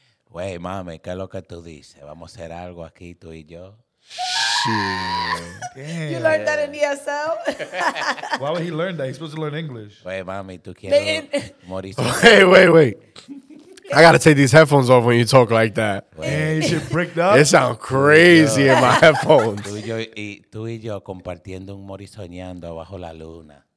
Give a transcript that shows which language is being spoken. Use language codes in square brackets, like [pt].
[es] Wey, mami, ¿qué es lo que tú dices? ¿Vamos a hacer algo aquí, tú y yo? [en] Shit. Damn. You learned that in ESL? Why would he learn that? He's supposed to learn English. [es] Wey, mami, ¿tú quieres morir? [en] Wait. I got to take these headphones off when you talk like that. Man, you should break up. It sounds crazy in my headphones. [es] Tú y yo compartiendo un morisoñando bajo la luna.